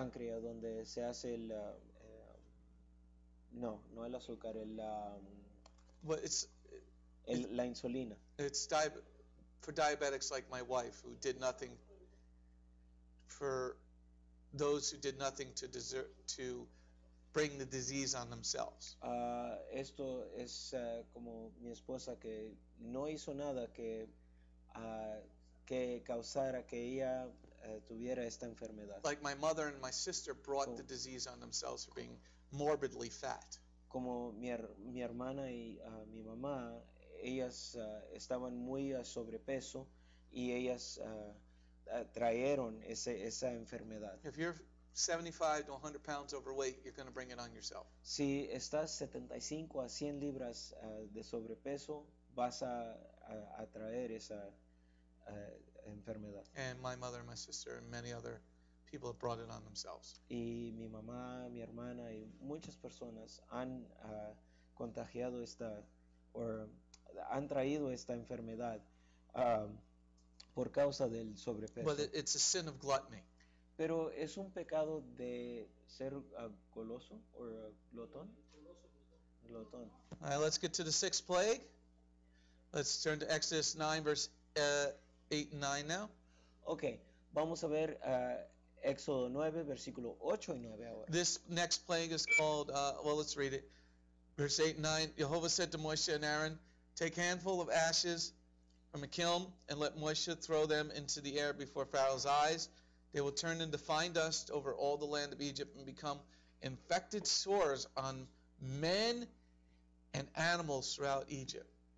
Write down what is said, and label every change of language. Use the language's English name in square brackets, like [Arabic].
[Spanish] La páncreas donde se hace el no el azúcar, el la insulina. [English] It's for diabetics like my wife who did nothing, for those who did nothing to deserve to bring the disease on themselves. [Spanish] Esto es como mi esposa que no hizo nada que causara que ella tuviera esta enfermedad. [English] Like my mother and my sister brought the disease on themselves for being morbidly fat. [Spanish] Como mi hermana y mi mamá, ellas estaban muy sobrepeso y ellas trajeron esa enfermedad. [English] If you're 75 to 100 pounds overweight, you're going to bring it on yourself. [Spanish] Si estás 75 a 100 libras de sobrepeso, vas a traer esa enfermedad. [English] And my mother and my sister and many other people have brought it on themselves. [Spanish] Y mi mamá, mi hermana y muchas personas han contagiado esta or han traído esta enfermedad por causa del sobrepeso. [English] But it's a sin of gluttony. [Spanish] Pero es un pecado de ser goloso or glotón. Glotón. [English] All right, let's get to the sixth plague. Let's turn to Exodus 9 verse 8 and 9 now. [Spanish] Okay, vamos a ver Éxodo 9 versículo 8 y 9 ahora. [English] This next plague is called let's read it. Verse 8 and 9. Jehovah said to Moshe and Aaron, "Take handful of ashes from a kiln and let Moshe throw them into the air before Pharaoh's eyes. They will turn into fine dust over all the land of Egypt and become infected sores on men and animals throughout Egypt."